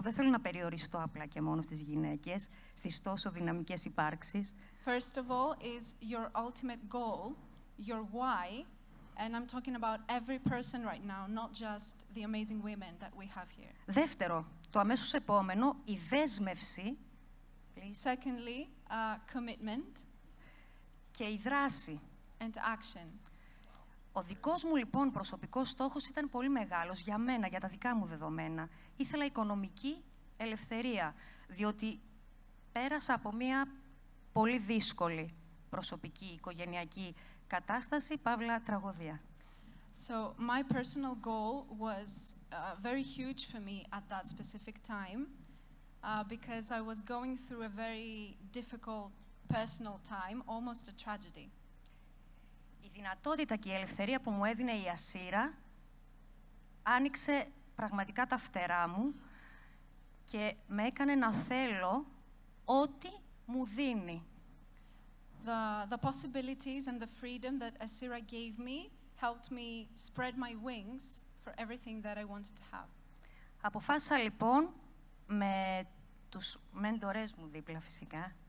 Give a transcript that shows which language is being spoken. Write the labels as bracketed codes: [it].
[el] Δεν θέλω να περιοριστώ απλά και μόνο στις γυναίκες, στις τόσο δυναμικές υπάρξεις. [en] First of all is your ultimate goal, your why, and I'm talking about every person right now, not just the amazing women that we have here. [el] Δεύτερο, το αμέσως επόμενο, η δέσμευση. [en] Secondly, commitment. [el] Και η δράση. [en] And action. [el] Ο δικός μου λοιπόν προσωπικός στόχος ήταν πολύ μεγάλος για μένα, για τα δικά μου δεδομένα. Ήθελα οικονομική ελευθερία, διότι πέρασα από μια πολύ δύσκολη προσωπική οικογενειακή κατάσταση, παύλα τραγωδία. [en] So my personal goal was very huge for me at that specific time, because I was going through a very difficult personal time, almost a tragedy. [el] Η δυνατότητα και η ελευθερία που μου έδινε η ASCIRA άνοιξε πραγματικά τα φτερά μου και με έκανε να θέλω ό,τι μου δίνει. [en] The possibilities and the freedom that ASCIRA gave me helped me spread my wings for everything that I wanted to have. [el] Αποφάσισα λοιπόν με τους μέντορές μου δίπλα φυσικά.